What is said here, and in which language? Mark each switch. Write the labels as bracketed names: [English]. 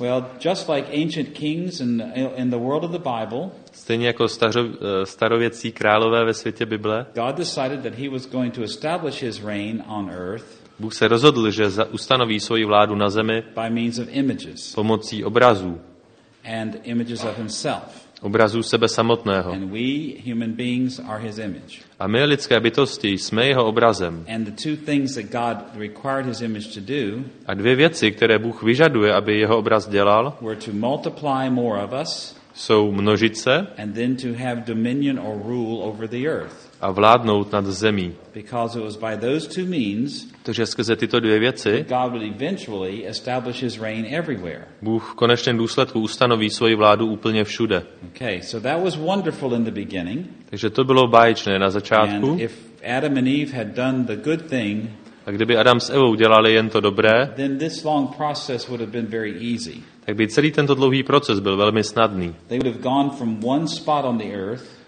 [English] Well, just like ancient kings in the world of the Bible. [Czech] Stejně jako starověcí králové ve světě Bible. [English] God decided that he was going to establish his reign on earth. [Czech] Bůh se rozhodl, že ustanoví svoji vládu na zemi [English] by means of images. [Czech] Pomocí obrazů. [English] And images of himself. [Czech] Obrazů sebe samotného. [English] And we human beings are his image. [Czech] A my lidské bytosti jsme jeho obrazem. [English] And the two things that God required his image to do. [Czech] A dvě věci, které Bůh vyžaduje, aby jeho obraz dělal. [English] Were to multiply more of us. [Czech] Jsou množit se. [English] And then to have dominion or rule over the earth. [Czech] A vládnout nad zemí. [English] Because it was by those two means. [Czech] Takže skrze tyto dvě věci. [English] God would eventually establish his reign everywhere. [Czech] Bůh v konečném důsledku ustanoví svoji vládu úplně všude. [English] Okay, so that was wonderful in the beginning. [Czech] Takže to bylo báječné na začátku. [English] And if Adam and Eve had done the good thing. [Czech] A kdyby Adam s Evou dělali jen to dobré. [English] Then this long process would have been very easy. [Czech] Tak by celý tento dlouhý proces byl velmi snadný. [English] They would have gone from one spot on the earth.